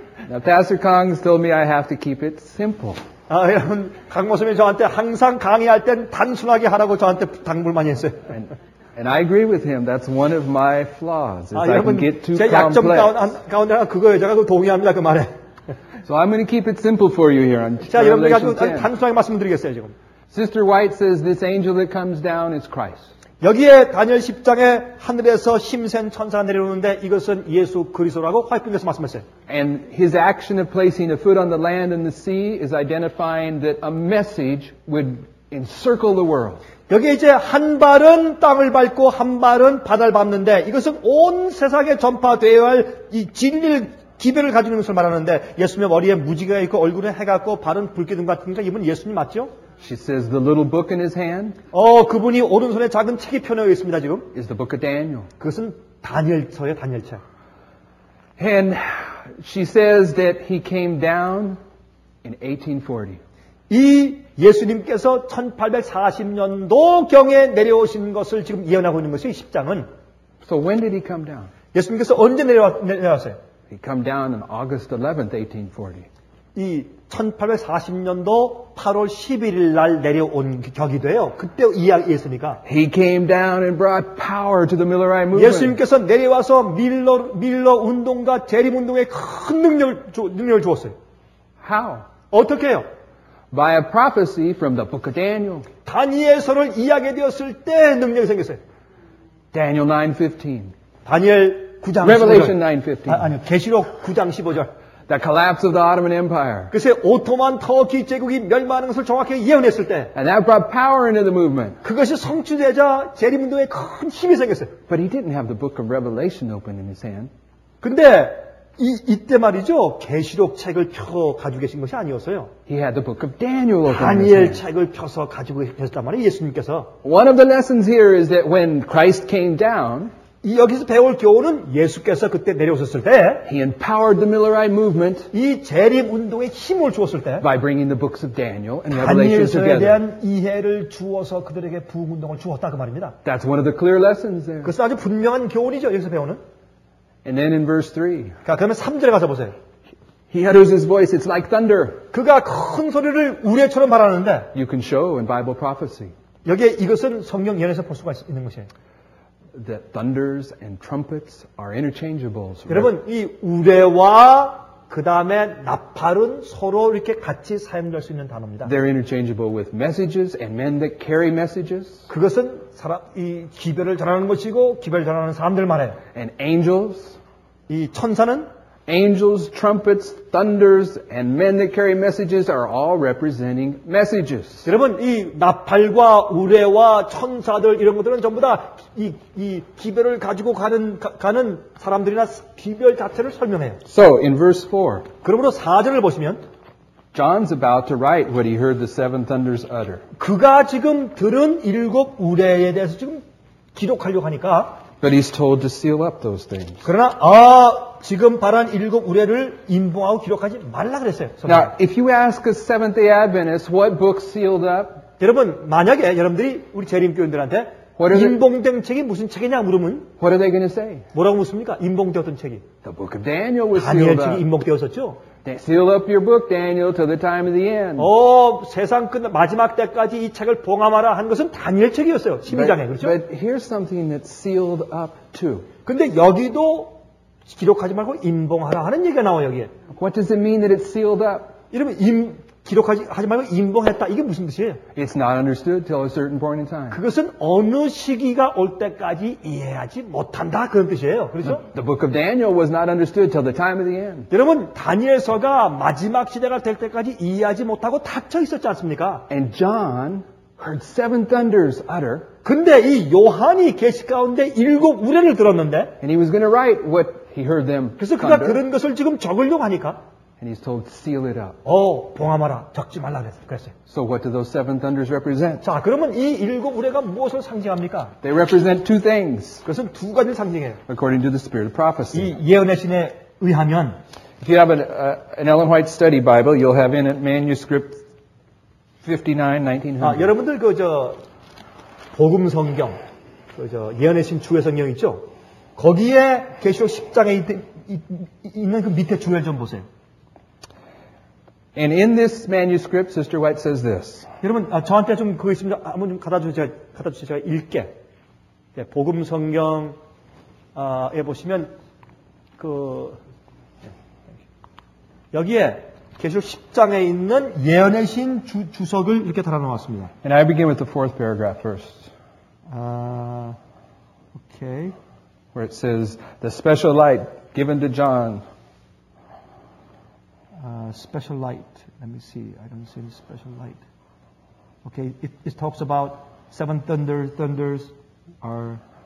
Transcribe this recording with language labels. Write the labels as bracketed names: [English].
[English] Now Pastor Kang told me I have to keep it simple. [Korean] 아, 여러분, 강 목사님이 저한테 항상 강의할 땐 단순하게 하라고 저한테 당부를 많이 했어요. [English] And I agree with him. That's one of my flaws. [Korean] 아, 여러분, 제 약점 가운데 그거예요. 제가 그 동의합니다, 그 말에. [English] So I'm going to keep it simple for you here on Revelation [Korean] 10. 자, 여러분께 아주 단순하게 말씀드리겠어요, 지금. [English] Sister White says this angel that comes down is Christ. [Korean] 여기에 다니엘 10장에 하늘에서 힘센 천사가 내려오는데 이것은 예수 그리스도라고 화이트빈에서 말씀했어요. [English] And his action of placing a foot on the land and the sea is identifying that a message would encircle the world. [Korean] 여기 이제 한 발은 땅을 밟고 한 발은 바다를 밟는데 이것은 온 세상에 전파되어야 할 이 진리를 기별을 가지는 것을 말하는데 예수님의 머리에 무지개가 있고 얼굴에 해 같고 발은 불기둥 같으니까 이분 예수님 맞죠? [English] She says the little book in his hand. [Korean] 그분이 오른손에 작은 책이 펴놓여 있습니다 지금. [English] Is the book of Daniel. [Korean] 그것은 다니엘서예요, 다니엘서. [English] And she says that he came down in 1840. [Korean] 이 예수님께서 1840년도 경에 내려오신 것을 지금 예언하고 있는 것이 10장은. [English] So when did he come down? [Korean] 예수님께서 언제 내려왔어요? [English] He came down on August 11th, 1840. [Korean] 이 1840년도 8월 11일 날 내려온 격이 돼요. 그때 이야기했으니까. [English] He came down and brought power to the Millerite movement. [Korean] 예수님께서 내려와서 밀러 운동과 재림 운동에 큰 능력을 주었어요. [English] How? [Korean] 어떻게요? [English] By a prophecy from the book of Daniel. [Korean] 다니엘서를 이야기 되었을 때 능력이 생겼어요. [English] Daniel 9:15. [Korean] 다니엘 [English] Revelation 9:15. [Korean] 아니요, 계시록 9장 15절. [English] The collapse of the Ottoman Empire. [Korean] 그새 오토만 터키 제국이 멸망하는 것을 정확히 예언했을 때. [English] And that brought power into the movement. [Korean] 그것이 성취되자 재림운동에 큰 힘이 생겼어요. [English] But he didn't have the book of Revelation open in his hand. [Korean] 근데 이때 말이죠, 계시록 책을 펴 가지고 계신 것이 아니었어요. [English] He had the book of Daniel. [Korean] 다니엘 책을 펴서 가지고 계셨단 말이에요, 예수님께서. [English] One of the lessons here is that when Christ came down. [Korean] 여기서 배울 교훈은 예수께서 그때 내려오셨을 때 [English] He empowered the Millerite movement [Korean] 이 재림 운동에 힘을 주었을 때 [English] By bringing the books of Daniel and Revelation together [Korean] 다니엘서에 대한 이해를 주어서 그들에게 부흥 운동을 주었다 그 말입니다. [English] That's one of the clear lessons there. [Korean] 그것은 아주 분명한 교훈이죠. 여기서 배우는 [English] And then in verse 3 [Korean] 자, 그러면 3절에 가서 보세요. [English] He utters his voice. It's like thunder. [Korean] 그가 큰 소리를 우레처럼 말하는데 [English] You can show in Bible prophecy. [Korean] 여기에 이것은 성경 예언에서 볼 수가 있는 것이에요. [English] That thunders and trumpets are interchangeables. [Korean] 여러분, 이 우레와 그 다음에 나팔은 서로 이렇게 같이 사용될 수 있는 단어입니다. [English] They're interchangeable with messages and men that carry messages. [Korean] 그것은 사람 이 기별을 전하는 것이고 기별 전하는 사람들 말해요. [English] And angels. [Korean] 이 천사는 [English] Angels, trumpets, thunders, and men that carry messages are all representing messages. [Korean] 여러분, 이 나팔과 우레와 천사들 이런 것들은 전부 다 이 기별을 가지고 가는 사람들이나 기별 자체를 설명해요. [English] So in verse 4. [Korean] 그러므로 4절을 보시면 [English] John's about to write what he heard the seven thunders utter. [Korean] 그가 지금 들은 일곱 우레에 대해서 지금 기록하려고 하니까 [English] But he's told to seal up those things. [Korean] 그러나 지금 바란 일곱 우레를 임봉하고 기록하지 말라 그랬어요. 선생님. [English] Now, if you ask a Seventh-day Adventist what book sealed up? [Korean] 여러분 만약에 여러분들이 우리 재림교인들한테 임봉된 책이 무슨 책이냐 물으면 [English] What are they going to say? [Korean] 뭐라고 묻습니까? 임봉되었던 책이. [English] The book of Daniel was sealed up. [Korean] 다니엘 책이 임봉되었었죠. [English] They seal up your book, Daniel, till the time of the end. [Korean] 세상 끝 마지막 때까지 이 책을 봉함하라 한 것은 다니엘 책이었어요. 12장에 그렇죠? [English] But here's something that's sealed up too. [Korean] 근데 여기도 기록하지 말고 임봉하라 하는 얘기가 나와 여기에. [English] What does it mean that it's sealed up? [Korean] 이러면 기록하지 말고 임봉했다. 이게 무슨 뜻이에요? [English] It's not understood till a certain point in time. [Korean] 그것은 어느 시기가 올 때까지 이해하지 못한다. 그런 뜻이에요. 그렇죠? [English] The book of Daniel was not understood till the time of the end. [Korean] 여러분, 다니엘서가 마지막 시대가 될 때까지 이해하지 못하고 닫혀 있었지 않습니까? [English] And John heard seven thunders utter. [Korean] 근데 이 요한이 계시 가운데 일곱 우레를 들었는데 [English] And he was going to write what he heard them. [Korean] 그래서 그가 들은 것을 지금 적으려고 하니까 [English] And he's told to seal it up. [Korean] 봉함하라. 적지 말라 그랬어요. [English] So what do those seven thunders represent? [Korean] 자, 그러면 이 일곱 우레가 무엇을 상징합니까? [English] They represent two things. [Korean] 그것은 두 가지를 상징해요. [English] According to the spirit of prophecy. [Korean] 이 예언의 신에 의하면 [English] If you have an Ellen White study Bible, you'll have in it manuscript 59, 1900. [Korean] 아, 여러분들 그 저 복음 성경. 그 저 예언의 신 주의 성경 있죠? 거기에 계시록 10장에 있는 그 밑에 주의를 좀 보세요. [English] And in this manuscript, Sister White says this. [Korean] 여러분, 저한테 좀 그거 있습니다. 한번 좀 갖다 주세요. 제가 읽게. 네, 복음 성경에 보시면, 여기에 계시록 10장에 있는 예언의 신 주석을 이렇게 달아놓았습니다. [English] And I begin with the fourth paragraph first. Okay. Where it says, the special light given to John. Special light. Let me see. I don't see the special light. Okay, it talks about seven thunders are...